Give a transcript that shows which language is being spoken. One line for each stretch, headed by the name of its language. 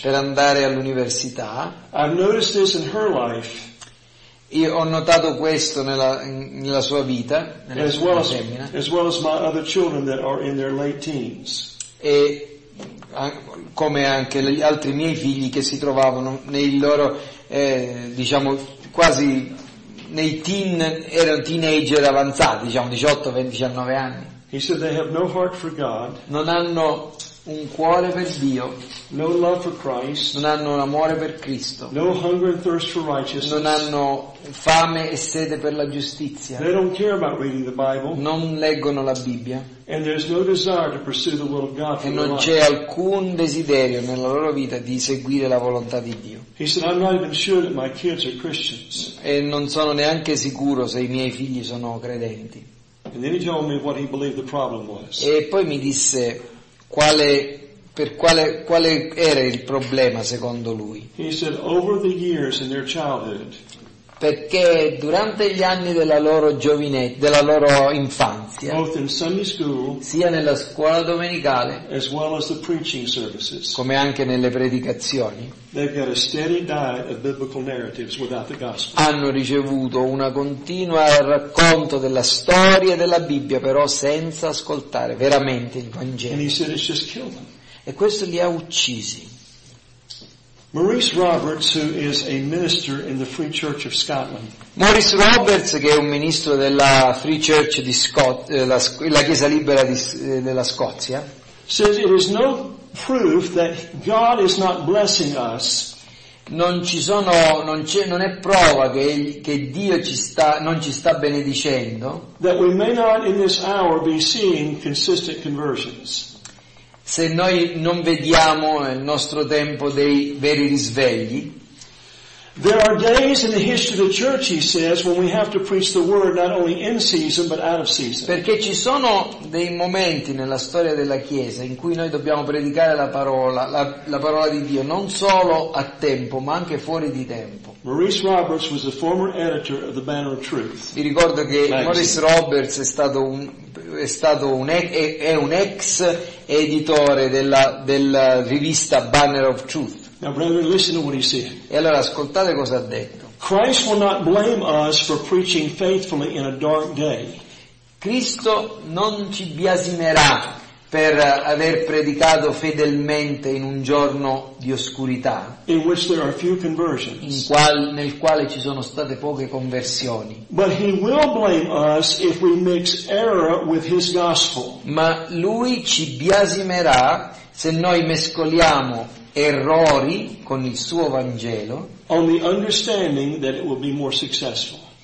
Italian: per andare all'università.
English: I've noticed this in her life,
Italian: io ho notato questo nella sua vita, nella
English: as well
Italian: sua femmina,
English: as well as my other children that are in their late teens,
Italian: e come anche gli altri miei figli che si trovavano nei loro diciamo quasi nei teen, erano teenager avanzati, diciamo 18, 20, 19 anni.
English: He said they have no heart for God.
Italian: Non hanno un cuore per Dio.
English: No love for Christ.
Italian: Non hanno un amore per Cristo.
English: No hunger and thirst for righteousness.
Italian: Non hanno fame e sede per la giustizia.
English: They don't care about reading the Bible.
Italian: Non leggono la Bibbia.
English: And there's no desire to pursue the will of God.
Italian: E non c'è alcun desiderio nella loro vita di seguire la volontà di Dio.
English: He said, "I'm not even sure that my kids are Christians."
Italian: E non sono neanche sicuro se i miei figli sono credenti.
English: And then he told me what he believed the problem was.
Italian: E poi mi disse quale, per quale, quale era il problema secondo lui.
English: He said, over the years in their childhood,
Italian: perché durante gli anni della loro giovinezza, della loro infanzia,
English: both in Sunday school,
Italian: sia nella scuola domenicale,
English: as well as the preaching services,
Italian: come anche nelle predicazioni,
English: they've got a steady diet of biblical narratives without the gospel.
Italian: Hanno ricevuto una continua racconto della storia della Bibbia, però senza ascoltare veramente il Vangelo.
English: And he said it's just killed them.
Italian: E questo li ha uccisi.
English: Maurice Roberts, who is a minister in the Free Church of Scotland.
Italian: Maurice Roberts, che è un ministro della Free Church di la Chiesa Libera della Scozia,
English: says it is no proof that God is not blessing us.
Italian: Non è prova che Dio non ci sta benedicendo.
English: That we may not in this hour be seeing consistent conversions.
Italian: Se noi non vediamo nel nostro tempo dei veri risvegli.
English: There are days in the history of the church, he says, when we have to preach the word not only in season but out of season.
Italian: Perché ci sono dei momenti nella storia della Chiesa in cui noi dobbiamo predicare la parola, la parola di Dio, non solo a tempo, ma anche fuori di tempo.
English: Maurice Roberts was the former editor of the Banner of Truth.
Italian: Vi ricordo che Maurice Roberts è un ex editore della rivista Banner of Truth.
English: Now, brother, listen to what he said.
Italian: E allora ascoltate cosa ha detto.
English: Christ will not blame us for preaching faithfully in a dark day.
Italian: Cristo non ci biasimerà per aver predicato fedelmente in un giorno di oscurità.
English: In which there are few conversions.
Italian: Nel quale ci sono state poche conversioni.
English: But he will blame us if we mix error with his gospel.
Italian: Ma lui ci biasimerà se noi mescoliamo errori con il suo Vangelo,
English: on the understanding that it will be more successful,